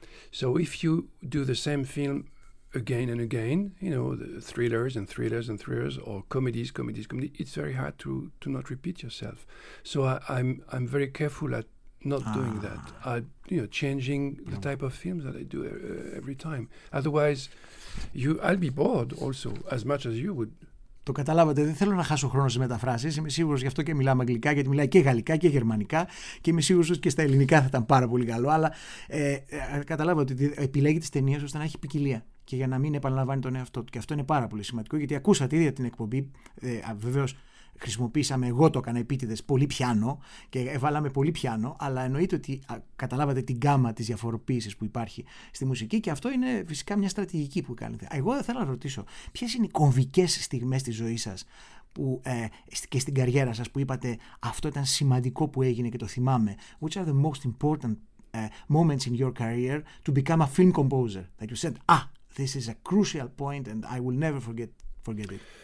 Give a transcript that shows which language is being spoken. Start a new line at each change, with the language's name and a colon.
English: So if you do the same film again and again, you know, the thrillers and thrillers and thrillers, or comedies, it's very hard to not repeat yourself. So I'm very careful at not doing that. The type of films that I do every time. Otherwise, I'll be bored also, as much as you would.
Greek: Το καταλάβατε, δεν θέλω να χάσω χρόνο στις μεταφράσεις. Είμαι σίγουρος γι' αυτό και μιλάμε αγγλικά, γιατί μιλάει και γαλλικά και γερμανικά. Και είμαι σίγουρος ότι και στα ελληνικά θα ήταν πάρα πολύ καλό. Αλλά καταλάβατε ότι επιλέγει τις ταινίες ώστε να έχει ποικιλία και για να μην επαναλαμβάνει τον εαυτό του. Και αυτό είναι πάρα πολύ σημαντικό, γιατί ακούσατε ήδη την εκπομπή. Βεβαίως χρησιμοποίησαμε, εγώ το έκανα επίτηδες, πολύ πιάνο και βάλαμε πολύ πιάνο. Αλλά εννοείται ότι καταλάβατε την γκάμα της διαφοροποίησης που υπάρχει στη μουσική, και αυτό είναι φυσικά μια στρατηγική που κάνετε. Εγώ θέλω να ρωτήσω, ποιες είναι οι κομβικές στιγμές της ζωής σας και στην καριέρα σας που είπατε αυτό ήταν σημαντικό που έγινε και το θυμάμαι?
English: Which are the most important moments in your career to become a film composer that you said, ah, this is a crucial point and I will never forget it?